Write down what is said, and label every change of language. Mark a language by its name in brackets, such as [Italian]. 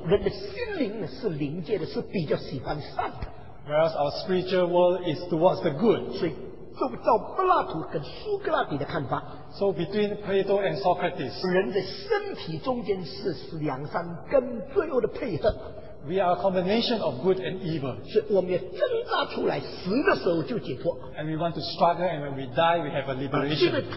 [Chinese] 人的心灵是灵界的，是比较喜欢善的。 [English] Whereas our spiritual world is towards the good. [Chinese] 所以，照柏拉图跟苏格拉底的看法。 [English] So between Plato and Socrates. [Chinese] 人的身体中间是良善跟罪恶的配合。 [English] We are a combination of good and evil. [Chinese] 所以我们要挣扎出来，死的时候就解脱。 [English] And we want to struggle, and when we die, we have a liberation.